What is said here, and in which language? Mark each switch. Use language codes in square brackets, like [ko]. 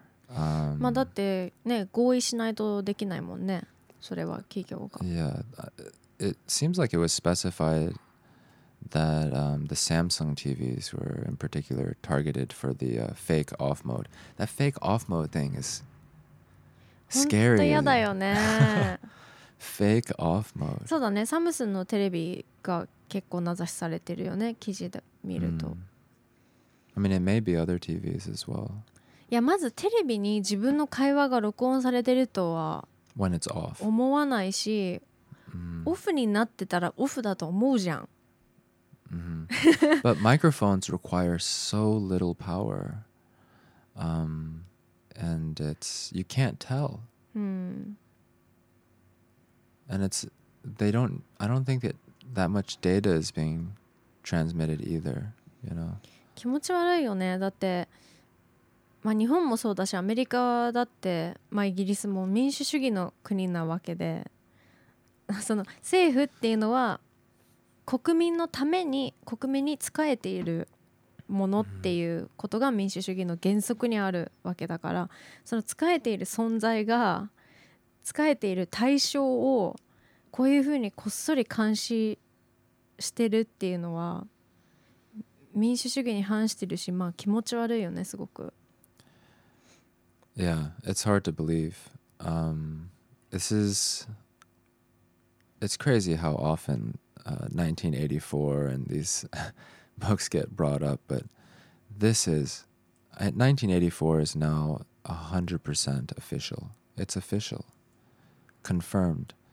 [ja] まあだってね、合意しないとできないもんね、それは企業が。 [en] Yeah, it seems like it was specified that the Samsung TVs were in particular targeted for the fake off mode. That fake off mode thing is scary. [ja] 本当嫌だよね。 [en] Fake off mode. [ja] そうだね、サムスンのテレビが結構名指しされてるよね、記事で見ると。 [en] I mean, it may be other TVs as well. [ja] いや、まずテレビに自分の会話が録音されてるとは思わないし、オフになってたらオフだと思うじゃん。 [en] But microphones require so little power. And it's, you can't tell. And it's, they don't, I don't think that much data is being transmitted either, you know. [ja] 気持ち悪いよね。だって、まあ、日本もそうだし、アメリカだって、まあ、イギリスも民主主義の国なわけで、その政府っていうのは国民のために国民に仕えているものっていうことが民主主義の原則にあるわけだから、その仕えている存在が仕えている対象をこういうふうにこっそり監視してるっていうのは民主主義に反してるし、まあ気持ち悪いよねすごく。 [en] Yeah, it's hard to believe. This is it's crazy how often 1984 and these books get brought up, but this is 1984 is now 100% official. It's official. Confirmed.